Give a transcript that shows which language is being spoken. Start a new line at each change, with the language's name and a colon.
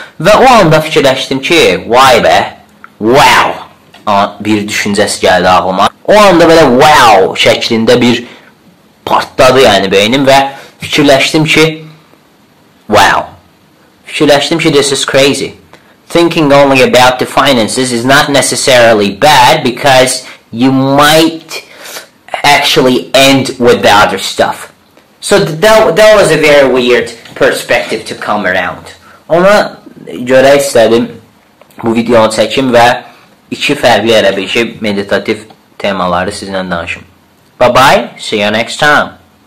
Azerbaijani: Və o anda fikirləşdim ki, vay bə, wow, bir düşüncəsi gəldi ağlıma. O anda belə wow şəklində bir partladı yəni beynim və fikirləşdim ki, wow, fikirləşdim ki,
English: this is crazy. Thinking only about the finances is not necessarily bad because you might actually end with the other stuff. So that was a very weird perspective to come around.
Azerbaijani: Ona görə istədim bu videonu çəkim və iki fərqli ərəbici meditativ temaları sizinlə danışım.
English: Bye-bye, see you next time.